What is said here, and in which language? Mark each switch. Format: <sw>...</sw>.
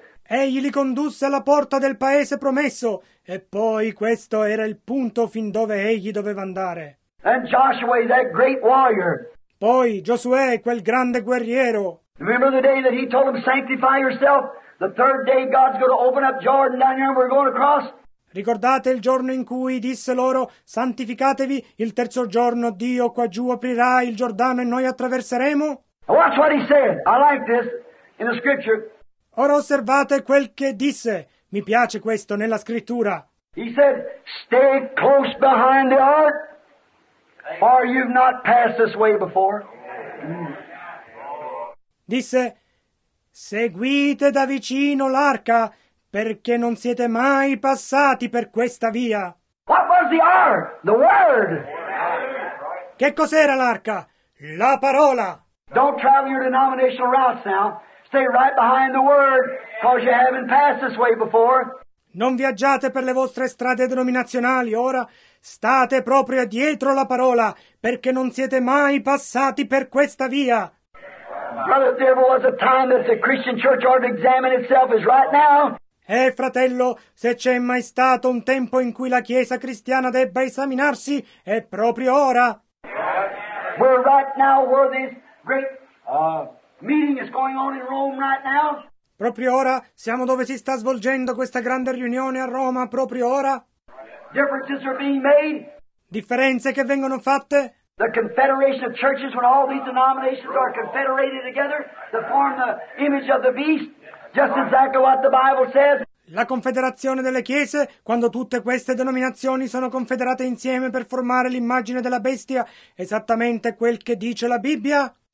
<it>Egli li condusse alla porta del paese promesso, e poi questo era il punto fin dove egli doveva andare.</it> <en>And Joshua, that great warrior.</en> <it>Poi Giosuè, quel grande guerriero.</it> <en>Remember the day that he told him, sanctify yourself. The third day God's going to open up Jordan down here and we're going across.</en> <it>Ricordate il giorno in cui disse loro, santificatevi, il terzo giorno Dio qua giù aprirà il Giordano e noi attraverseremo?</it> <en>Watch what he said. I like this in the scripture.</en> <it>Ora osservate quel che disse. Mi piace questo nella scrittura.</it> <en>He said, stay close behind the ark, for you've not passed this way before.</en> <it>Disse, seguite da vicino l'arca, perché non siete mai passati per questa via.</it> <en>What was the ark? The word.</en> <it>Che cos'era l'arca? La parola.</it> <en>Don't travel your denominational routes now. Stay right behind the word, because you haven't passed this way before.</en> <it>Non viaggiate per le vostre strade denominazionali ora. State proprio dietro la parola, perché non siete mai passati per questa via.</it> <en>Brother, there was a time that the Christian church ought to examine itself is right now.</en> <it>Fratello, se c'è mai stato un tempo in cui la Chiesa cristiana debba esaminarsi, è proprio ora.</it> <en>We're right now where this great meeting is going on in Rome right now.</en> <it>Proprio ora siamo dove si sta svolgendo questa grande riunione a Roma, proprio ora.</it> <en>Differences are being made.</en> <it>Differenze che vengono fatte.</it> <en>The confederation of churches, when all these denominations are confederated together to form the image of the beast, just exactly what the Bible says.</en> <it>La confederazione delle chiese, quando tutte queste denominazioni sono confederate insieme per formare l'immagine della bestia, esattamente quel che dice la Bibbia.</it>